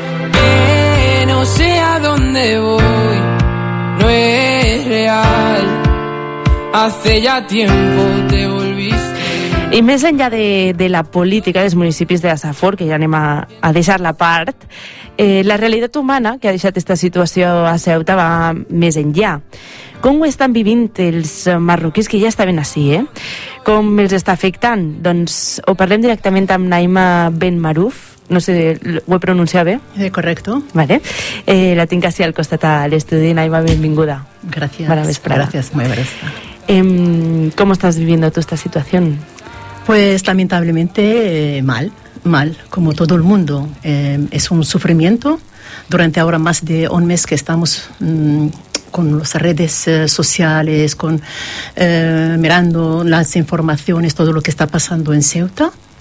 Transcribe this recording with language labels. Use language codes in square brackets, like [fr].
[es] Que no sé a dónde voy, no es real. Hace ya tiempo te volviste. Y más allá de la política de los municipios de la Safor, que ya [ca] anem [es] a dejar [ca] la part. La realitat humana que ha deixat aquesta situació a Ceuta va més enllà. Com ho estan vivint els marroquins que ja estaven ací, eh? Com els està afectant? Doncs ho parlem directament amb Naima Ben Maruf. No sé, ho he pronunciat bé? [es] Correcto. [ca] Vale. La tinc ací al costat a l'estudi. Naima, benvinguda. Gràcies. Gràcies, molt bé. Com estàs vivint tu aquesta situació? [es] Pues lamentablemente mal, como todo el mundo. Es un sufrimiento. Durante ahora más de un mes que estamos con las redes sociales, con mirando las informaciones, todo lo que está pasando en Ceuta.